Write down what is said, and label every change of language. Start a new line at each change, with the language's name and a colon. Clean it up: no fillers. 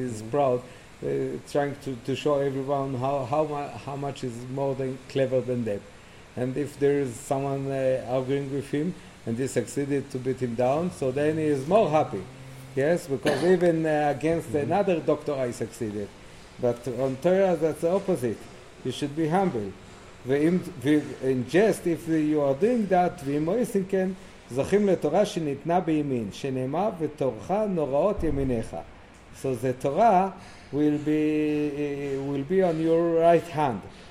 English: He's proud, trying to show everyone how much is more than clever than them. And if there is someone arguing with him and he succeeded to beat him down, so then he is more happy. Yes, because even against another doctor I succeeded. But on Torah, that's the opposite. You should be humble. And just if you are doing that,
Hebrew: ואם מויסים כן, זוכים לתורה שניתנה בימין, שנאמר ותורך נוראות ימיניך.
English: So the Torah will be on your right hand.